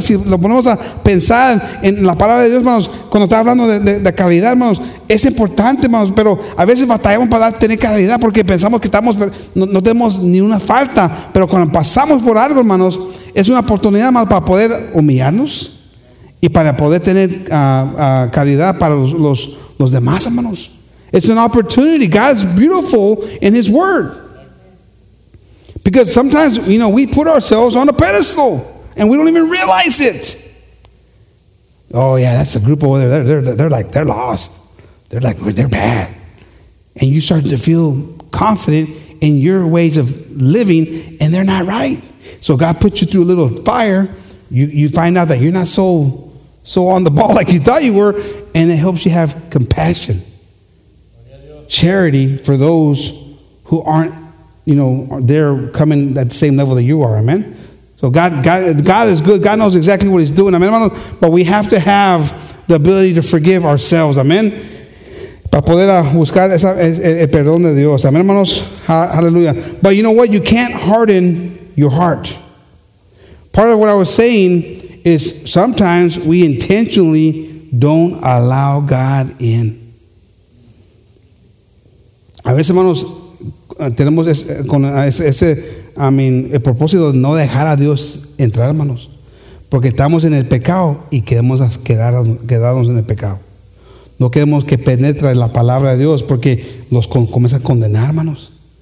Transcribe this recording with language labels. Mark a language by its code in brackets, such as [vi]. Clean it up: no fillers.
[es] Si lo ponemos a pensar en la palabra de Dios, hermanos, cuando está hablando de caridad, hermanos, es importante, hermanos, pero a veces batallamos para tener caridad porque pensamos que estamos, no tenemos ni una falta, pero cuando pasamos por algo, hermanos, es una oportunidad, hermanos, para poder humillarnos y para poder tener caridad para los demás, hermanos. [en] It's an opportunity. God's beautiful in His Word. Because sometimes, you know, we put ourselves on a pedestal and we don't even realize it. Oh, yeah, that's a group over there. They're lost. They're like, they're bad. And you start to feel confident in your ways of living and they're not right. So God puts you through a little fire. You find out that you're not so on the ball like you thought you were. And it helps you have compassion. Charity for those who aren't, you know, they're coming at the same level that you are. Amen. So God is good. God knows exactly what He's doing. Amen. But we have to have the ability to forgive ourselves. [es] Amen. Para poder buscar el perdón de Dios. Amen, hermanos. Hallelujah. [en] But you know what? You can't harden your heart. Part of what I was saying is sometimes we intentionally don't allow God in. [es] A veces, hermanos, tenemos el propósito de no dejar a Dios entrar, hermanos, porque estamos en el pecado y queremos quedarnos en el pecado. No queremos que penetre la palabra de Dios porque nos comienza a condenar, hermanos.